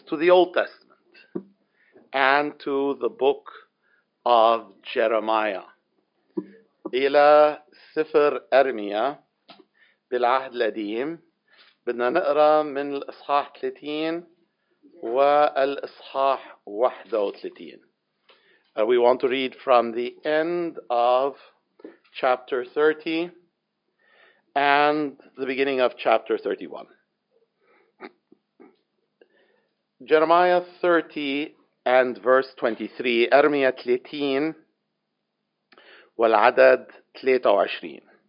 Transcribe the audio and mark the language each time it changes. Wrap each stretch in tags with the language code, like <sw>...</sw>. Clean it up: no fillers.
<en>to the Old Testament and to the book of Jeremiah.</en> <ar>إلى سفر إرميا بالعهد القديم بدنا نقرأ من الإصحاح 30 والإصحاح 31.</ar> <en>We want to read from the end of chapter 30 and the beginning of chapter 31. Jeremiah 30 and verse 23,</en> <ar>إرميا 30 والعدد 23.</ar>